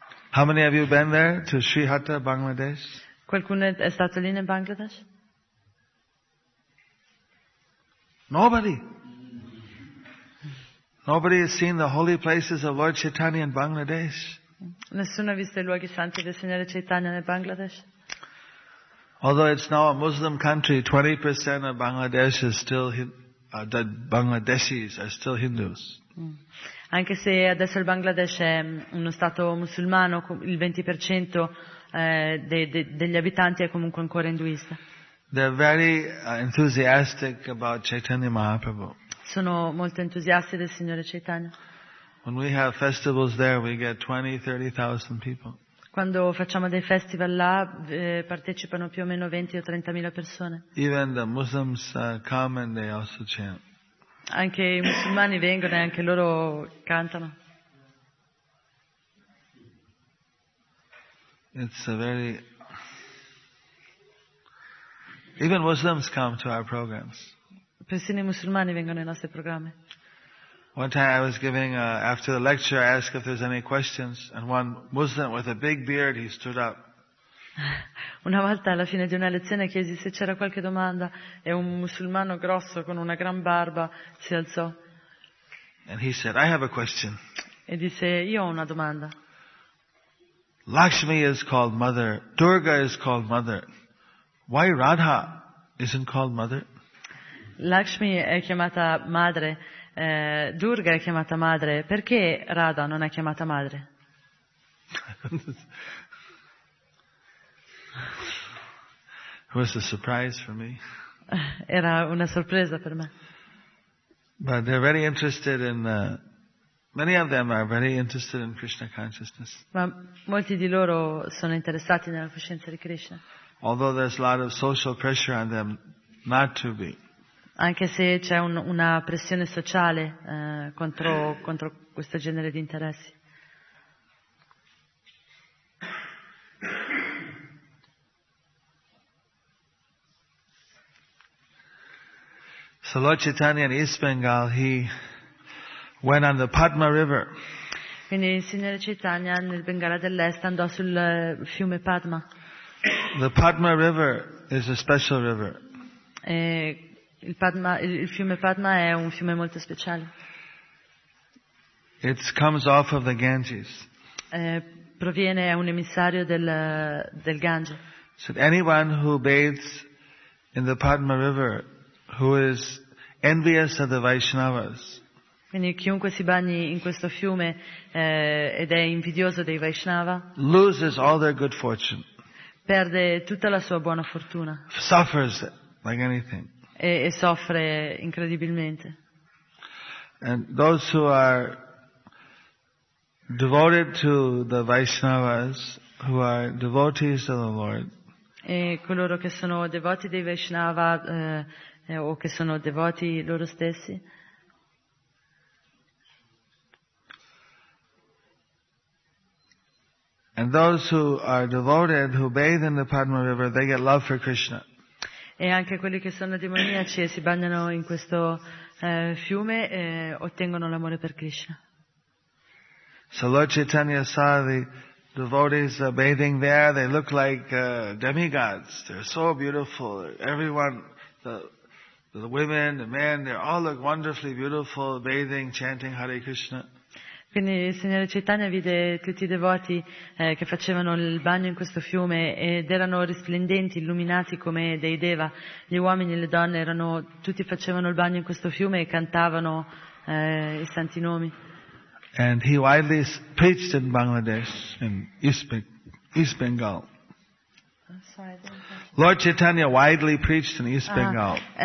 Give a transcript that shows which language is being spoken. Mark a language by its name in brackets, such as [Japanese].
[English] How many of you been there to Srihatta, Bangladesh? [Italian] Qualcuno è stato lì in Bangladesh? [English] Nobody. Nobody has seen the holy places of Lord Chaitanya in Bangladesh. [Italian] Nessuno ha visto i luoghi santi del Signore Chaitanya nel Bangladesh. [English] Although it's now a Muslim country, 20% of Bangladesh is still the Bangladeshis are still Hindus. [Italian] Anche se adesso il Bangladesh è uno stato musulmano, il 20% degli abitanti è comunque ancora induista. [English] They're very enthusiastic about Chaitanya Mahaprabhu. [Italian] Sono molto entusiasti del signore Chaitanya. [English] When we have festivals there, we get 20,000-30,000 people. [Italian] Quando facciamo dei festival là, partecipano più o meno 20 o 30.000 persone. [English] Even the Muslims come and they also chant. [Italian] Anche i musulmani vengono e anche loro cantano. [English] It's a very even Muslims come to our programs. [Italian] Persino i musulmani vengono ai nostri programmi. [English] One time I was giving after the lecture I asked if there's any questions and one Muslim with a big beard he stood up. [Italian] Una volta alla fine di una lezione chiesi se c'era qualche domanda e un musulmano grosso con una gran barba si alzò. [English] And he said, I have a question. [Italian] E disse, io ho una domanda. [English] Lakshmi is called mother, Durga is called mother. Why Radha isn't called mother? [Italian] Lakshmi è chiamata madre, Durga è chiamata madre, perché Radha non è chiamata madre? [English] It was a surprise for me. [Italian] Era una sorpresa per me. [English] But they're very interested in many of them are very interested in Krishna consciousness. [Italian] Ma molti di loro sono interessati nella coscienza di Krishna. [English] Although there's a lot of social pressure on them not to be. [Italian] Anche se c'è una pressione sociale contro questo genere di interessi. [English] So Lord Chaitanya in East Bengal, he went on the Padma River. [Italian] Quindi il signore Chaitanya nel Bengala dell'Est andò sul fiume Padma. [English] The Padma River is a special river. [Italian] Il fiume Padma è un fiume molto speciale. [English] It comes off of the Ganges. [Italian] Proviene, è un emissario del Gange. [English] So anyone who bathes in the Padma River, who is envious of the Vaishnavas. [Italian] Quindi chiunque si bagni in questo fiume ed è invidioso dei Vaishnava. [English] Loses all their good fortune. [Italian] Perde tutta la sua buona fortuna. [English] Suffers like anything. [Italian] E soffre incredibilmente. [English] And those who are devoted to the Vaishnavas, who are devotees of the Lord. [Italian] E coloro che sono devoti dei Vaishnava o che sono devoti loro stessi. [English] And those who are devoted, who bathe in the Padma River, they get love for Krishna. [Italian] E anche quelli che sono demoniaci e si bagnano in questo fiume ottengono l'amore per Krishna. [English] So Lord Chaitanya saw the devotees bathing there. They look like demigods. They're so beautiful. Everyone, the women, the men, they all look wonderfully beautiful, bathing, chanting Hare Krishna. [Italian] Quindi il signore Chaitanya vide tutti i devoti che facevano il bagno in questo fiume ed erano risplendenti, illuminati come dei deva. Gli uomini e le donne erano tutti facevano il bagno in questo fiume e cantavano i santi nomi. [English] And he widely preached in Bangladesh, in East Bengal. Lord Chaitanya widely preached in East Bengal.